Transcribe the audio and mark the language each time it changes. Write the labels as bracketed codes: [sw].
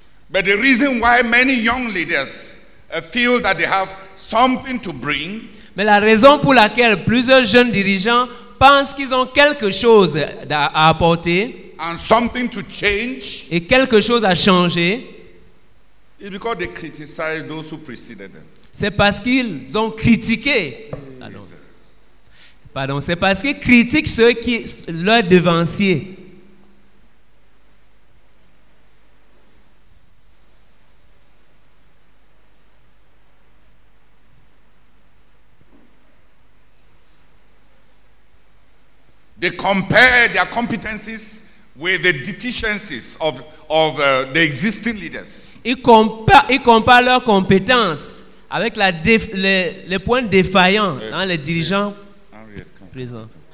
[en] But the reason why many young leaders feel that they have something to bring. [fr] Mais la raison pour laquelle plusieurs jeunes dirigeants pensent qu'ils ont quelque chose à apporter. [en] And something to change. [fr] Et quelque chose à changer. [en] Is because they criticize those who preceded them. [fr] C'est parce qu'ils ont critiqué. Pardon. C'est parce qu'ils critiquent ceux qui leur devanciers. [en] They compare their competencies with the deficiencies of the existing leaders. [fr] Ils comparent leurs compétences avec les points défaillants dans les dirigeants présents.